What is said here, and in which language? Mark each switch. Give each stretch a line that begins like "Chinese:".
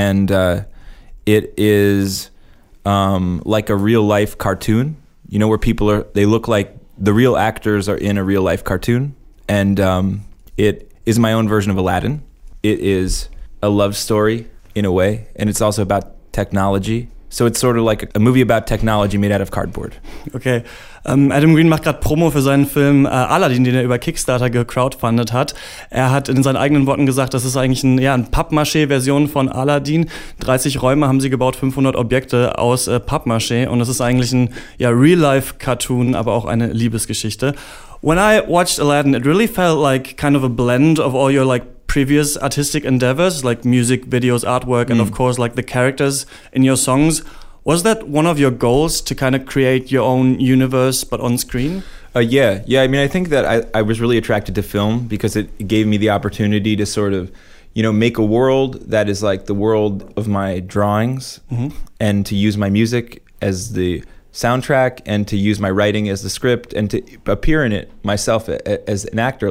English: It is like a real life cartoon, you know, where people they look like the real actors are in a real life cartoon. And it is my own version of Aladdin. It is a love story in a way, and it's also about technology. So it's sort of like a movie about technology made out of cardboard. Okay.
German: Adam Green macht gerade Promo für seinen Film Aladdin, den er über Kickstarter gecrowdfundet hat. Er hat in seinen eigenen Worten gesagt, das ist eigentlich eine Pappmaché-Version von Aladdin. 30 Räume haben sie gebaut, 500 Objekte aus Pappmaché. Und das ist eigentlich ein Real-Life-Cartoon, aber auch eine Liebesgeschichte.
English: When I watched Aladdin, it really felt like kind of a blend of all your like previous artistic endeavors, like music, videos, artwork, and of course, like the characters in your songs. Was that one of your goals, to kind of create your own universe, but on screen? Yeah. I mean, I think that I was really attracted to film because it gave me the opportunity to sort of, you know, make a world that is like the world of my drawings, and to use my music as the soundtrack, and to use my writing as the script, and to appear in it myself as an actor.